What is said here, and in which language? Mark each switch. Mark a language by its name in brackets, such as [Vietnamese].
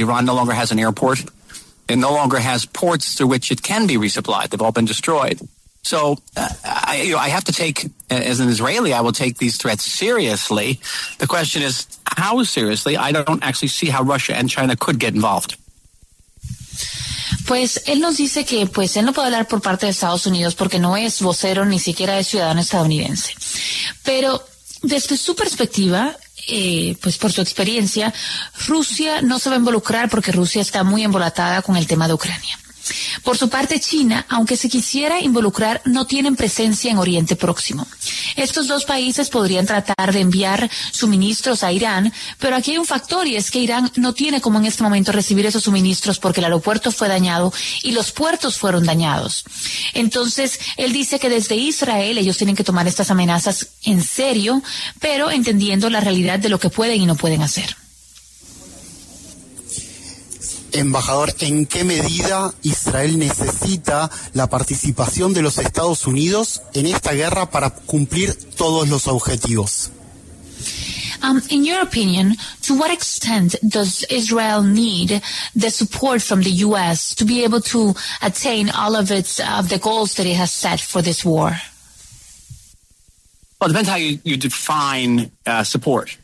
[English] Iran no longer has an airport. It no longer has ports through which it can be resupplied. They've all been destroyed. So I have to take, as an Israeli, I will take these threats seriously. The question is, how seriously? I don't actually see how Russia and China could get involved. [Spanish] Pues él nos dice que pues él no puede hablar por parte de Estados Unidos porque no es vocero ni siquiera es ciudadano estadounidense. Pero desde su perspectiva, pues por su experiencia, Rusia no se va a involucrar porque Rusia está muy embolatada con el tema de Ucrania. Por su parte, China, aunque se quisiera involucrar, no tienen presencia en Oriente Próximo. Estos dos países podrían tratar de enviar suministros a Irán, pero aquí hay un factor y es que Irán no tiene como en este momento recibir esos suministros porque el aeropuerto fue dañado y los puertos fueron dañados. Entonces, él dice que desde Israel ellos tienen que tomar estas amenazas en serio, pero entendiendo la realidad de lo que pueden y no pueden hacer. Embajador, ¿en qué medida Israel necesita la participación de los Estados Unidos en esta guerra para cumplir todos los objetivos? [English] In your opinion, to what extent does Israel need the support from the U.S. to be able to attain all of its of the goals that it has set for this war? Well, it depends how you define support.